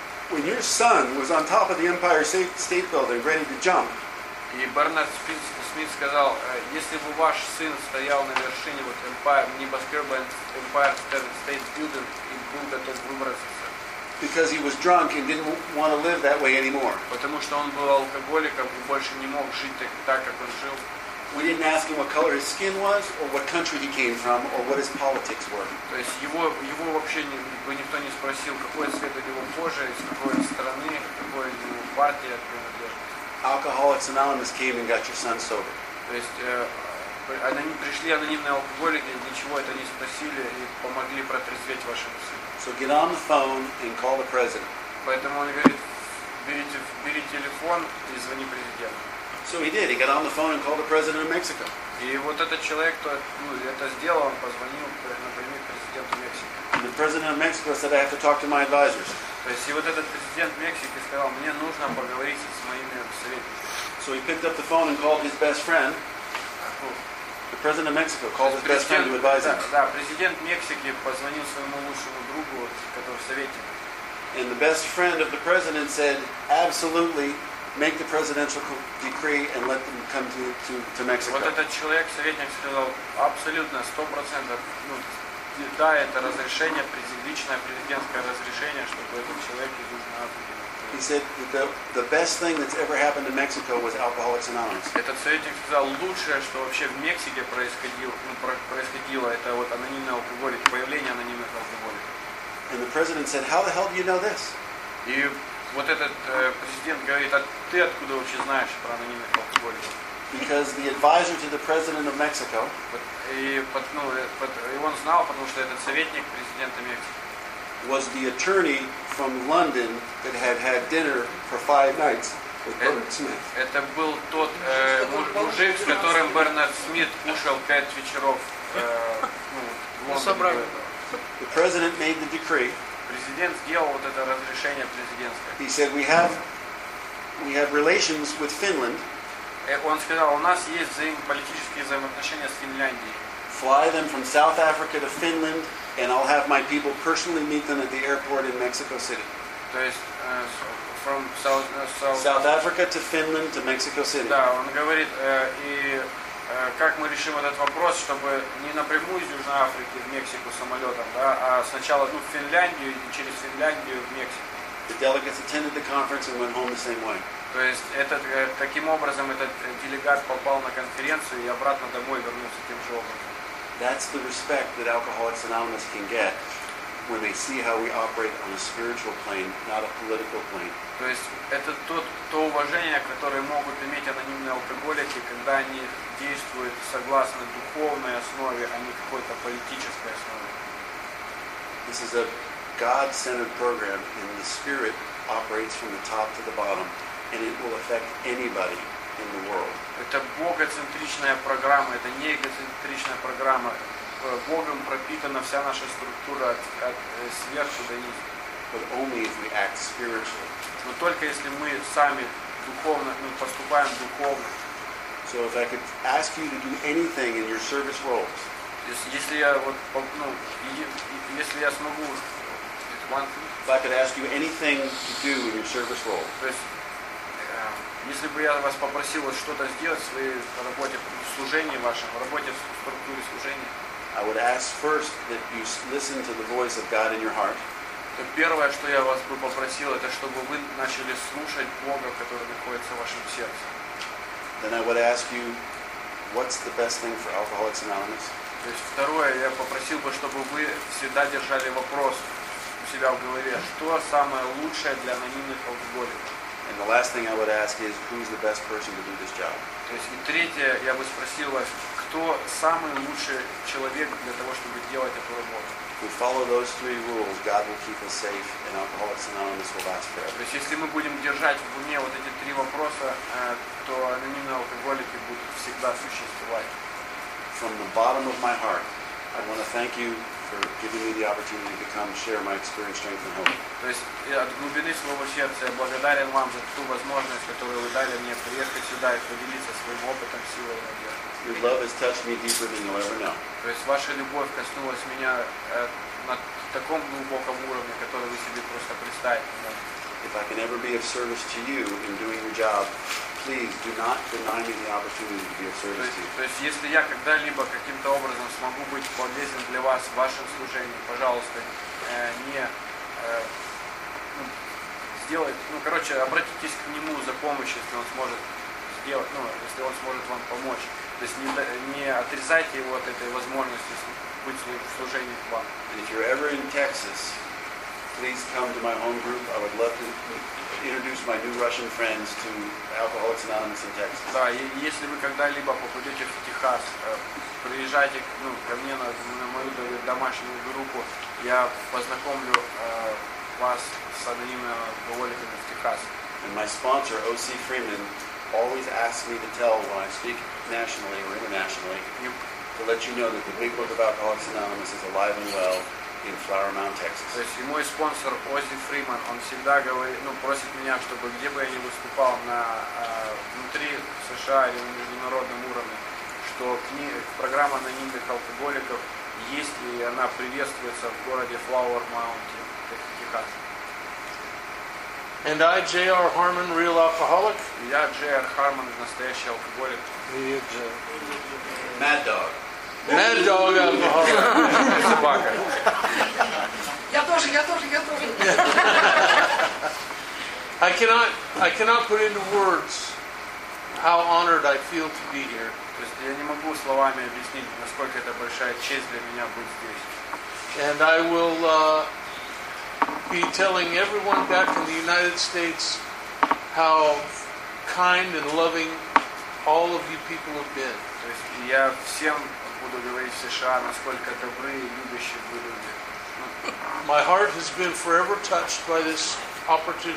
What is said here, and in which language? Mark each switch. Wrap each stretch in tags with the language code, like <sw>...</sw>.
<en>When your son was on top of the Empire State Building, ready to jump,</en> <ru>и Бернард Смит сказал, если бы ваш сын стоял на вершине вот небоскреба Empire State Building и был готов выброситься,</ru> <en>because he was drunk and didn't want to live that way anymore,</en> <ru>потому что он был алкоголиком и больше не мог жить так как он жил.</ru> <en>We didn't ask him what color his skin was, or what country he came from, or what his politics were.</en> <ru>То есть его вообще никто не спросил, какой цвет у него кожи, из какой страны, какой у него партия принадлежит.</ru> <en>Alcoholics Anonymous came and got your son sober.</en> <ru>То есть они пришли анонимные алкоголики, ничего это не спросили и помогли протрезветь вашему сыну.</ru> <en>So get on the phone and call the president.</en> <ru>Поэтому он говорит, бери телефон и звони президенту.</ru> <en>So he did. He got on the phone and called the president of Mexico.</en> <ru>И вот этот человек, кто это сделал, он позвонил напрямую президенту Мексики.</ru> <en>And the president of Mexico said, "I have to talk to my advisors."</en> <ru>То есть и вот этот президент Мексики сказал, мне нужно поговорить с моими советниками.</ru> <en>So he picked up the phone and called his best friend. The president of Mexico called his best friend to advise him.</en> <ru>Да, президент Мексики позвонил своему лучшему другу, который советник.</ru> <en>And the best friend of the president said, "Absolutely. Make the presidential decree and let them come to Mexico."</en> <ru>Вот этот человек, советник, сказал абсолютно 100%, да, это разрешение, личное президентское разрешение, чтобы этот человек из Южной Африки.</ru> <en>He said the best thing that's ever happened to Mexico was Alcoholics Anonymous.</en> <ru>Этот советник сказал лучшее, что вообще в Мексике происходило, это вот анонимные алкоголики, появление анонимных алкоголиков.</ru> <en>And the president said, "How the hell do you know this?"</en> <ru>И вот этот президент говорит, а ты откуда вообще знаешь про анонимных алкоголиков?</ru> <en>Because the advisor to the president of Mexico.</en> <ru>И он знал, потому что этот советник президента Мексики.</ru> <en>Was the attorney from London that had dinner for five nights with Bernard Smith.</en> <ru>Это был тот мужик, с которым Бернард Смит кушал пять вечеров в Лондоне.</ru> <en>The president made the decree.</en> <ru>Президент сделал вот это разрешение президентское.</ru> <en>He said we have relations with Finland.</en> <ru>Он сказал, у нас есть политические взаимоотношения с Финляндией.</ru> <en>Fly them from South Africa to Finland, and I'll have my people personally meet them at the airport in Mexico City.</en> <ru>То есть</ru> <en>from South Africa to Finland to Mexico City.</en> <ru>Да, он говорит, и как мы решим этот вопрос, чтобы не напрямую из Южной Африки в Мексику самолетом, да, а сначала в Финляндию и через Финляндию в Мексику.</ru> <en>The delegates attended the conference and went home the same way.</en> <ru>То есть этот таким образом этот делегат попал на конференцию и обратно домой вернулся тем же образом.</ru> <en>That's the respect that Alcoholics Anonymous can get when they see how we operate on a spiritual plane, not a political plane.</en> <ru>То есть это то уважение, которое могут иметь анонимные алкоголики, когда они действуют согласно духовной основе, а не какой-то политической основе.</ru> <en>This is a God-centered program, and the Spirit operates from the top to the bottom, and it will affect anybody in the world.</en> <ru>Это богоцентричная программа, это не эгоцентричная программа. Богом пропитана вся наша структура от сверху до низу.</ru> <en>But only if we act spiritually.</en> <ru>Но только если мы сами духовно, мы поступаем духовно.</ru> <en>So if I could ask you to do anything in your service role.</en> <ru>Если я вот, ну, если я смогу,</ru> <en>if I could ask you anything to do in your service role.</en> <ru>То есть, если бы я вас попросил вот что-то сделать в своей работе, в служении вашем, в работе в структуре служения.</ru> <en>I would ask first that you listen to the voice of God in your heart.</en> <ru>То первое, что я вас бы попросил, это чтобы вы начали слушать Бога, который находится в вашем сердце.</ru> <en>Then I would ask you, what's the best thing for Alcoholics Anonymous?</en> <ru>То есть второе, я попросил бы, чтобы вы всегда держали вопрос у себя в голове, что самое лучшее для анонимных алкоголиков.</ru> <en>And the last thing I would ask is, who's the best person to do this job?</en> <ru>То есть и третье, я бы спросил вас, кто самый лучший человек для того, чтобы делать эту работу.</ru> <en>We follow those three rules, God will keep us safe, and Alcoholics Anonymous will last forever.</en> <ru>То есть если мы будем держать в уме вот эти три вопроса, то анонимные алкоголики будут всегда существовать.</ru> <en>From the bottom of my heart, I want to thank you for giving me the opportunity to come share my experience, strength, and hope.</en> <ru>То есть от глубины своего сердца я благодарен вам за ту возможность, которую вы дали мне приехать сюда и поделиться своим опытом, силой и надеждой.</ru> <en>Your love has touched me deeper than you'll ever know.</en> <ru>То есть ваша любовь коснулась меня на таком глубоком уровне, который вы себе просто представить не можете.</ru> <en>If I can ever be of service to you in doing your job, please do not deny me the opportunity to be of service to you.</en> <ru>То есть если я когда-либо каким-то образом смогу быть полезен для вас в вашем служении, пожалуйста, обратитесь к нему за помощью, если он сможет сделать, ну, если он сможет вам помочь. То есть не отрезайте его от этой возможности быть в служении к вам.</ru> <en>If you're ever in Texas, please come to my home group. I would love to introduce my new Russian friends to Alcoholics Anonymous in Texas.</en> <ru>Да, если вы когда-либо попадете в Техас, приезжайте, ну, ко мне на мою домашнюю группу. Я познакомлю вас с анонимными алкоголиками в Техасе.</ru> <en>And my sponsor, O.C. Freeman, always asks me to tell when I speak nationally or internationally to let you know that the Big Book of Alcoholics Anonymous is alive and well in Flower Mound, Texas.</en> <ru>То есть мой спонсор Оззи Фриман, он всегда говорит, ну, просит меня, чтобы где бы я ни выступал на внутри США или на международном уровне, что программа анонимных алкоголиков есть и она приветствуется в городе Flower Mound, Техас.</ru> <en>And I, J.R. Harmon, real alcoholic.</en> <ru>Я, J.R. Harmon, настоящий алкоголик.</ru> <en>Mad Dog. Mad Dog alcoholic.</en> <ru>Собака. Я тоже.</ru> <en>I cannot put into words how honored I feel to be here.</en> <ru>То есть я не могу словами объяснить, насколько это большая честь для меня быть здесь.</ru> <en>And I will be telling everyone back in the United States how kind and loving all of you people have been.</en> <ru>То есть я всем буду говорить в США, насколько добры и любящие вы люди.</ru> <en>My heart has been forever touched by this opportunity.</en>